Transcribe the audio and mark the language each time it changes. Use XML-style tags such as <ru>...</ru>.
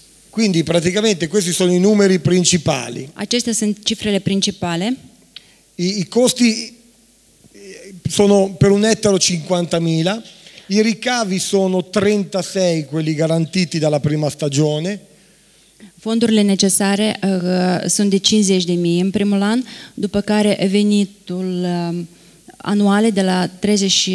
<it>Quindi praticamente questi sono i numeri principali.</it> <ro>Acestea sunt cifrele principale.</ro> <it>I costi sono per un ettaro 50.000, i ricavi sono 36 quelli garantiti dalla prima stagione.</it> <ro>Fondurile necesare sunt de 50.000 în primul an, după care venitul anuale de la 36.000.</ro>